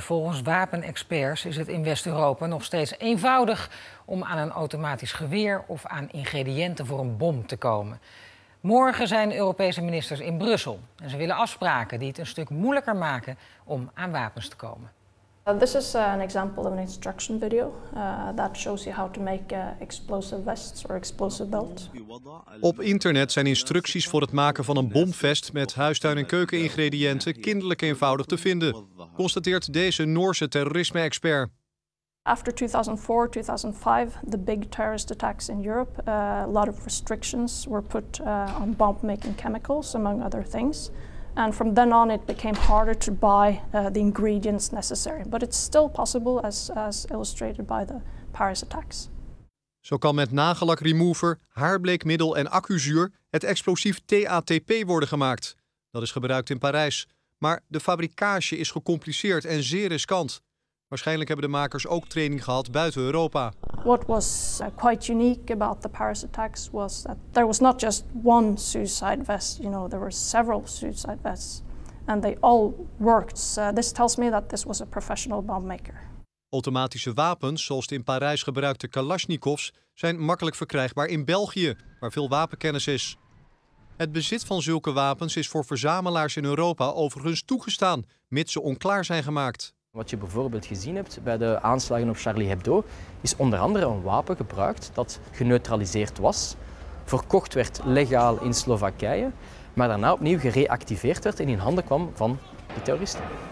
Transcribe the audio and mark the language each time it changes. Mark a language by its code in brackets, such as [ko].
[nl] Volgens wapenexperts is het in West-Europa nog steeds eenvoudig om aan een automatisch geweer of aan ingrediënten voor een bom te komen. Morgen zijn Europese ministers in Brussel. En ze willen afspraken die het een stuk moeilijker maken om aan wapens te komen. [en] This is an example of an instruction video that shows you how to make explosive vests or explosive belts. [nl] Op internet zijn instructies voor het maken van een bomvest met huistuin- en keukeningrediënten kinderlijk eenvoudig te vinden, constateert deze Noorse terrorisme-expert. [en] After 2004, 2005, the big terrorist attacks in Europe, a lot of restrictions were put on bomb-making chemicals, among other things. And from then on it became harder to buy the ingredients necessary. But it's still possible as illustrated by the Paris attacks. [nl] Zo kan met nagellakremover, haarbleekmiddel en accuzuur het explosief TATP worden gemaakt. Dat is gebruikt in Parijs. Maar de fabricage is gecompliceerd en zeer riskant. Waarschijnlijk hebben de makers ook training gehad buiten Europa. [en] What was quite unique about the Paris attacks was that there was not just one suicide vest, you know, there were several suicide vests and they all worked. So this tells me that this was a professional bomb maker. [nl] Automatische wapens zoals de in Parijs gebruikte Kalashnikovs zijn makkelijk verkrijgbaar in België, waar veel wapenkennis is. Het bezit van zulke wapens is voor verzamelaars in Europa overigens toegestaan, mits ze onklaar zijn gemaakt. Wat je bijvoorbeeld gezien hebt bij de aanslagen op Charlie Hebdo, is onder andere een wapen gebruikt dat geneutraliseerd was, verkocht werd legaal in Slowakije, maar daarna opnieuw gereactiveerd werd en in handen kwam van de terroristen.